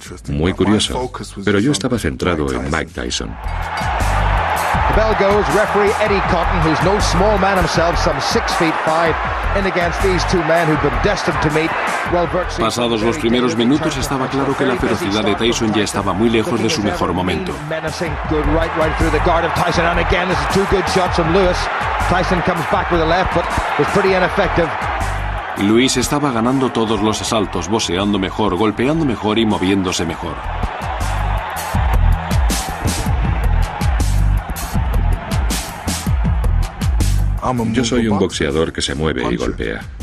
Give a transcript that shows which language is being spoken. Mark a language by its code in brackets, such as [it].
[es] Muy curioso, pero yo estaba centrado en Mike Tyson. [en] Bell goes, referee Eddie Cotton, who's no small man himself, some 6'5", in against these two men who've been destined to meet. [es] Pasados los primeros minutos, estaba claro que la ferocidad de Tyson ya estaba muy lejos de su mejor momento. [en] Menacing, good right through the guard of Tyson, and again, this is two good shots from Lewis. Tyson comes back with a left, but was pretty ineffective. [es] Lewis estaba ganando todos los asaltos, boxeando mejor, golpeando mejor y moviéndose mejor. Yo soy un boxeador que se mueve y golpea.